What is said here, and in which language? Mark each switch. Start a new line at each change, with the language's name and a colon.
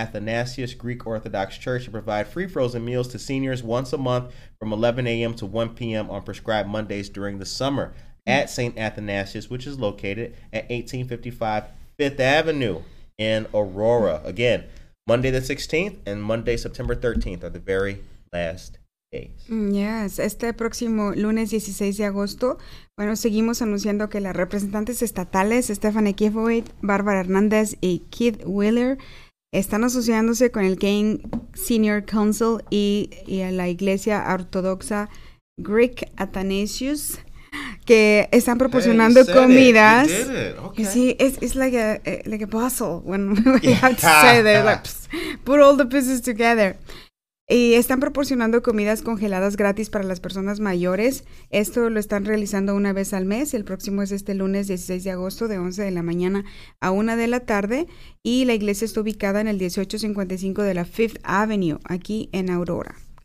English: Athanasius Greek Orthodox Church to provide free frozen meals to seniors once a month from 11 a.m. to 1 p.m. on prescribed Mondays during the summer at St. Athanasius, which is located at 1855 Fifth Avenue in Aurora. Again, Monday the 16th and Monday, September 13th are the very last
Spanish: Yes, este próximo lunes 16 de agosto, bueno, seguimos anunciando que las representantes estatales, Stephanie Kifowit, Bárbara Hernández y Keith Wheeler, están asociándose con el Kane Senior Council y la Iglesia Ortodoxa Greek Athanasius, que están proporcionando comidas.
English: It's like a puzzle when we have to say that, like, put all the pieces together.
Spanish: Y están proporcionando comidas congeladas gratis para las personas mayores. Esto lo están realizando una vez al mes. El próximo es este lunes 16 de agosto de 11 de la mañana a 1 de la tarde. Y la iglesia está ubicada en el 1855 de la Fifth Avenue, aquí en Aurora.